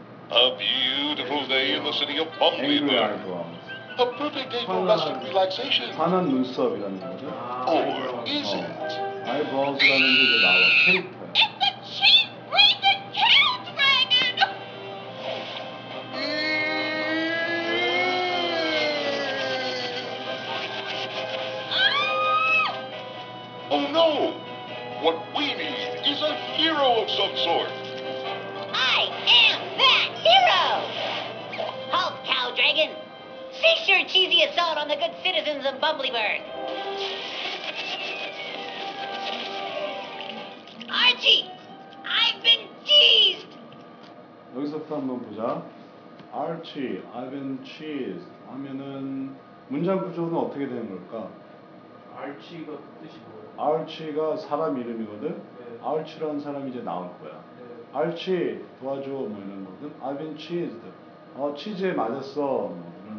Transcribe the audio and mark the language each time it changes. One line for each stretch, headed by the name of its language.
English: A beautiful day in the city of Bumbleberry. A perfect day for rest and relaxation.
Korean: 환한 눈썹이라는 거죠?
English: Or is it?
Korean: Eyeballs라는 게 나와, 캐릭터.
English: It's a chief reason cow dragon! Oh no! What we need is a hero of some sort. I am that hero! Halt, cow dragon! Cease your cheesy assault on the good citizens of Bumbleberg. Archie, I've been cheesed.
Korean: 여기서부터 한번 보자.
English: Archie, I've been cheesed.
Korean: 하면은 문장 구조는 어떻게 되는 걸까? Archie가 뜻이 뭐예요? Archie가 사람 이름이거든. 네. Archie라는 사람이 이제 나올 거야. 네. Archie, 도와줘 뭐 이런 거든.
English: I've been cheesed.
Korean: 치즈에 맞았어.